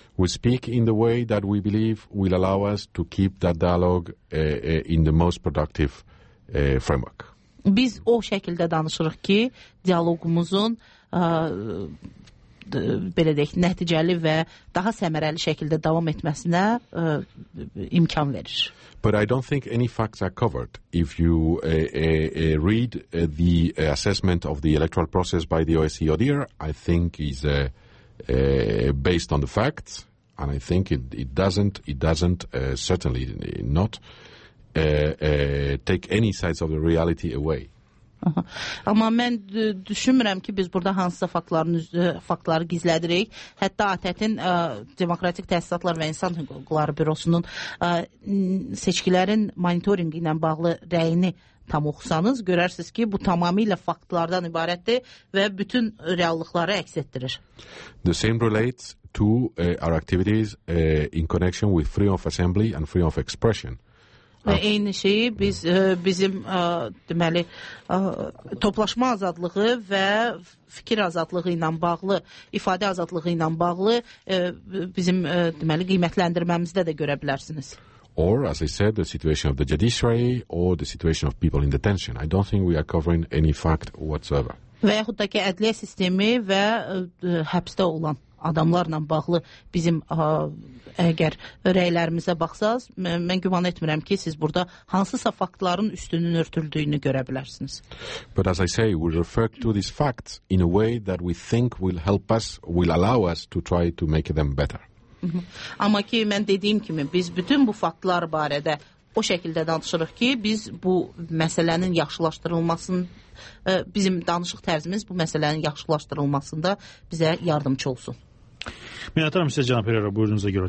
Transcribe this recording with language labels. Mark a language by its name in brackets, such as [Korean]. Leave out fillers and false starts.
[English] We speak in the way that we believe will allow us to keep that dialogue in the most productive framework. [Azerbaijani] Biz o şəkildə danışırıq ki, dialoqumuzun belə deyək, nəticəli və daha səmərəli şəkildə davam etməsinə imkan verir. [English] But I don't think any facts are covered if you read the assessment of the electoral process by the OSCE ODIHR. I think is based on the facts and I think it doesn't certainly not take any sides of the reality away. [Azerbaijani] Amma mən düşünmürəm ki biz burada hansısa faktları gizlədirik. Hətta ATƏT-in Demokratik Təsisatlar və İnsan Hüquqları Bürosunun seçkilərin monitoringi ilə bağlı rəyini tam oxusanız görərsiniz ki bu tamamilə faktlardan ibarətdir və bütün reallıqları əks etdirir. [English] The same relates to our activities in connection with freedom of assembly and freedom of expression. [Azerbaijani] Və eyni şeyi biz bizim deməli toplaşma azadlığı və fikir azadlığı ilə bağlı, ifadə azadlığı ilə bağlı bizim deməli qiymətləndirməmizdə də görə bilərsiniz. [English] Or as I said, the situation of the judiciary or the situation of people in detention. I don't think we are covering any fact whatsoever. [Azerbaijani] Və yaxud da ki ədliyyə sistemi və həbsdə olan adamlarla bağlı bizim əgər rəylərimizə baxsaz, mən güman etmirəm ki, siz burada hansısa faktların üstünün örtüldüyünü görə bilərsiniz. [English] But as I say, we refer to these facts in a way that we think will help us, will allow us to try to make them better. [Azerbaijani] Amma ki, mən dediyim kimi, biz bütün bu faktlar barədə o şəkildə danışırıq ki, biz bu məsələnin yaxşılaşdırılmasını, bizim danışıq tərzimiz bu məsələnin yaxşılaşdırılmasında bizə yardımcı olsun. Minnətdaram sizə, cənab Pereira, buyurduğunuza görə.